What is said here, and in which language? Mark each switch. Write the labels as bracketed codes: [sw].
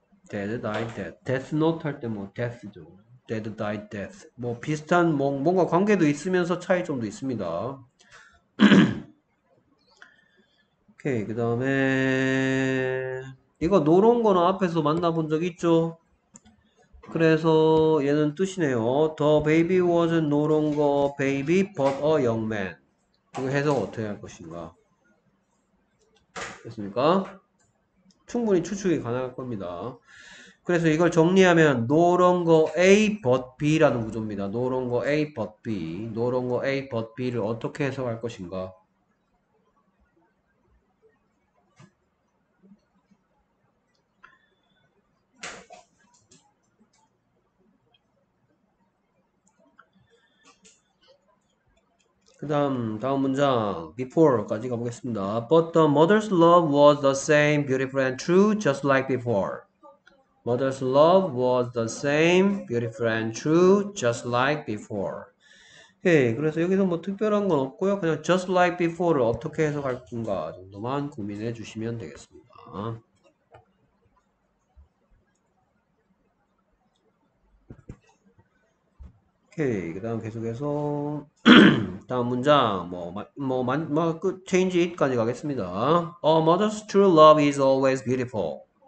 [ko] dead, die, death, death note 할때뭐 death죠. dead, die, death 뭐 비슷한 뭐 뭔가 관계도 있으면서 차이점도 있습니다. 오케이, 그 다음에 이거 노런 거는 앞에서 만나본 적 있죠? 그래서 얘는 뜻이네요. [en] The baby was no longer baby but a young man. [ko] 이거 해석 어떻게 할 것인가? 됐습니까? 충분히 추측이 가능할 겁니다. 그래서 이걸 정리하면 no longer A but B라는 구조입니다. [en] No longer A but B. No longer A but B를 [ko] 어떻게 해석할 것인가? 그다음 문장 before까지 가보겠습니다. [en] But the mother's love was the same beautiful and true just like before. Mother's love was the same beautiful and true just like before. [ko] 오케이, 그래서 여기서 뭐 특별한 건 없고요. 그냥 just like before를 어떻게 해석할 건가 정도만 고민해 주시면 되겠습니다. 오케이, 그다음 계속해서 다음 문장 뭐 change it까지 가겠습니다. [en] A mother's true love is always beautiful.